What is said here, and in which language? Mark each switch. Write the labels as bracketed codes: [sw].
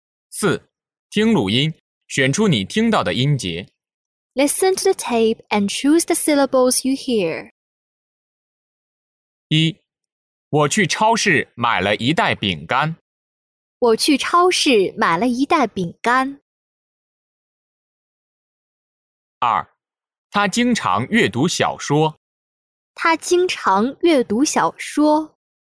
[zh] 四听录音选出你听到的音节。 [en] Listen to the tape and choose the syllables you hear. [zh] 一，我去超市买了一袋饼干。我去超市买了一袋饼干。二，他经常阅读小说。他经常阅读小说。